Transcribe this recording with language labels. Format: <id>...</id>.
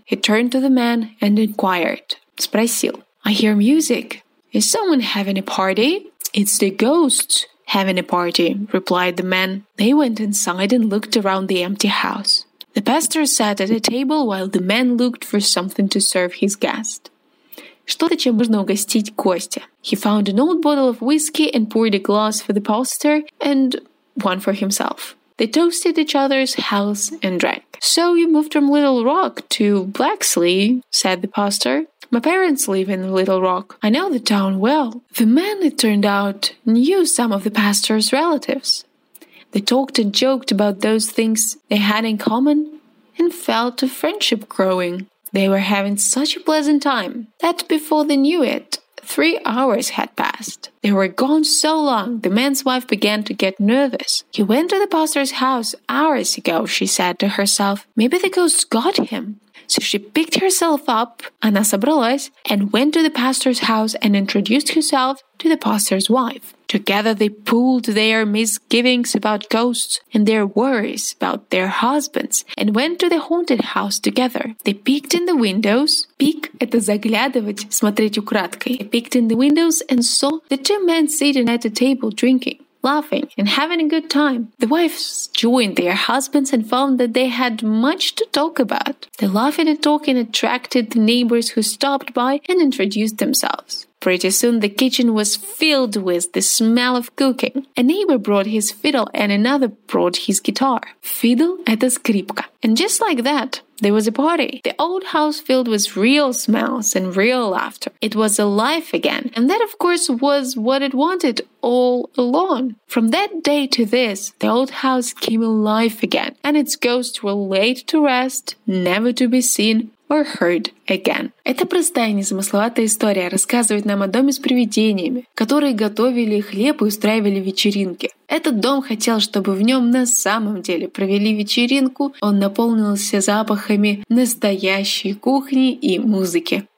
<en>He turned to the man and inquired.</en> <ru>Спросил.</ru> <en>"I hear music. Is someone having a party?" "It's the ghosts having a party," replied the man. They went inside and looked around the empty house. The pastor sat at a table while the man looked for something to serve his guest.</en> <ru>Что-то, чем можно угостить гостя.</ru> <en>He found an old bottle of whiskey and poured a glass for the pastor and one for himself. They toasted each other's health and drank. "So you moved from Little Rock to Blacksley," said the pastor. "My parents live in Little Rock. I know the town well." The man, it turned out, knew some of the pastor's relatives. They talked and joked about those things they had in common and felt a friendship growing. They were having such a pleasant time that before they knew it, 3 hours had passed. They were gone so long, the man's wife began to get nervous. "He went to the pastor's house hours ago," she said to herself. "Maybe the ghost got him." So she picked herself up,</en> <ru>она собралась,</ru> <en>and went to the pastor's house and introduced herself to the pastor's wife. Together they pooled their misgivings about ghosts and their worries about their husbands and went to the haunted house together. They peeked in the windows.</en> <ru>Peek – это заглядывать, смотреть украдкой.</ru> <en>They peeked in the windows and saw the two men sitting at a table drinking, laughing and having a good time. The wives joined their husbands and found that they had much to talk about. The laughing and talking attracted the neighbors who stopped by and introduced themselves. Pretty soon the kitchen was filled with the smell of cooking. A neighbor brought his fiddle and another brought his guitar.</en> <ru>Fiddle – это скрипка.</ru> <en>And just like that, there was a party. The old house filled with real smells and real laughter. It was alive again. And that, of course, was what it wanted all along. From that day to this, the old house came alive again. And its ghosts were laid to rest, never to be seen or heard again.</en> <ru>Эта простая незамысловатая история рассказывает нам о доме с привидениями, которые готовили хлеб и устраивали вечеринки. Этот дом хотел, чтобы в нем на самом деле провели вечеринку, он наполнился запахами настоящей кухни и музыки.</ru>